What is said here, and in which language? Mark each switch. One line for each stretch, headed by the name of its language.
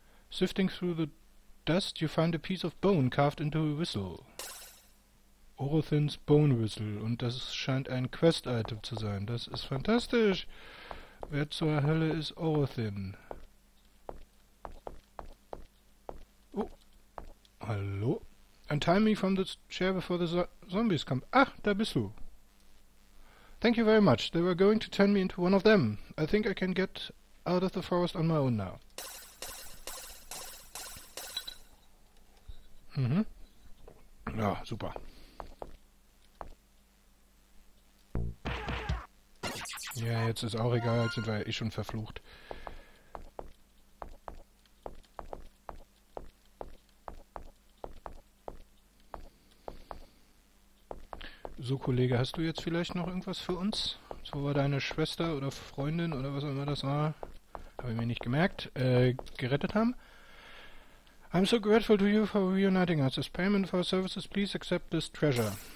English: Sifting through the dust, you find a piece of bone carved into a whistle. Orothins Bone Whistle.
German: Und das scheint ein Quest-Item zu sein. Das ist fantastisch. Wer zur Hölle ist Orothin? Hallo?
English: Untie me from the chair before the zombies come.
German: Ach, da bist du.
English: Thank you very much. They were going to turn me into one of them. I think I can get out of the forest on my own now.
German: Ja, super. Ja, jetzt ist auch egal, jetzt sind wir ja eh schon verflucht. So, Kollege, hast du jetzt vielleicht noch irgendwas für uns? So war deine Schwester oder Freundin oder was auch immer das war. Habe ich mir nicht gemerkt. Gerettet haben.
English: I'm so grateful to you for reuniting us. As payment for our services, please accept this treasure.